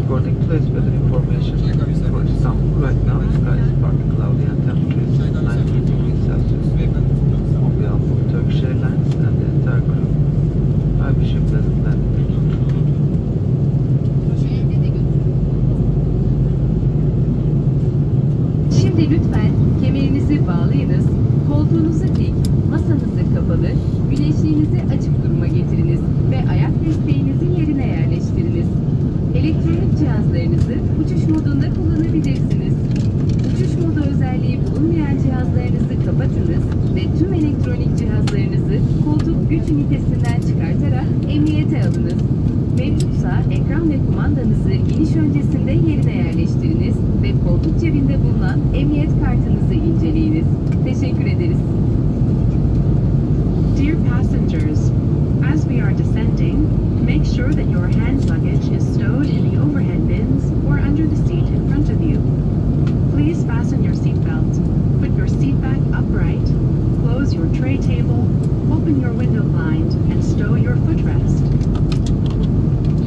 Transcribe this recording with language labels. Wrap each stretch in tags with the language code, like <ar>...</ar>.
<en>According to this weather information for Istanbul, right now the sky is partly cloudy and temperature is 19 degrees Celsius. On behalf of Turkish Airlines and the entire crew, I wish you a pleasant landing.</en> <tr>Şimdi lütfen kemerinizi bağlayınız, koltuğunuzu dik, masanızı kapalı, güneşliğinizi açık duruma getiriniz ve ayak desteğinizi yerine yerleştiriniz. Elektronik cihazlarınızı uçuş modunda kullanabilirsiniz. Uçuş modu özelliği bulunmayan cihazlarınızı kapatınız ve tüm elektronik cihazlarınızı koltuk güç ünitesinden çıkartarak emniyete alınız. Mevcutsa ekran ve kumandanızı iniş öncesinde yerine yerleştiriniz ve koltuk cebinde bulunan emniyet kartınızı inceleyiniz. Teşekkür ederiz.</tr> <en>Dear passengers, as we are descending, make sure that your hand luggage is stowed in the overhead bins or under the seat in front of you. Please fasten your seatbelt, put your seat back upright, close your tray table, open your window blind, and stow your footrest.</en>